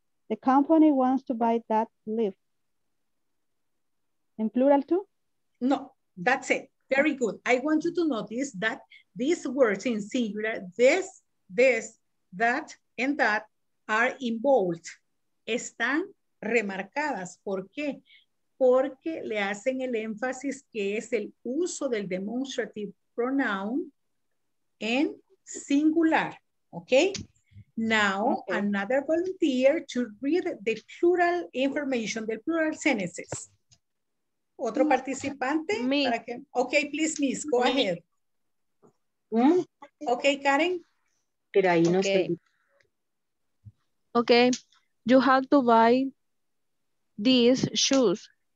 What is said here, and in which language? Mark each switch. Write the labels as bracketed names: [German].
[English] The company wants to buy that lift. In plural too? No, that's it. Very good. I want you to notice that these words in singular, this, that, and that are in bold. [Spanish] Están remarcadas. ¿Por qué? Porque le hacen el énfasis que es el uso del [English] demonstrative pronoun [Spanish] en singular. [English] Okay? Now, another volunteer to read the plural information, the plural sentences. [Spanish] Otro participante? [English] Me. [Spanish] Para que, [English] ok, please, Miss, go ahead. Ok, Karen. [Spanish] Pero ahí no [English] okay. Ok, you have to buy these shoes.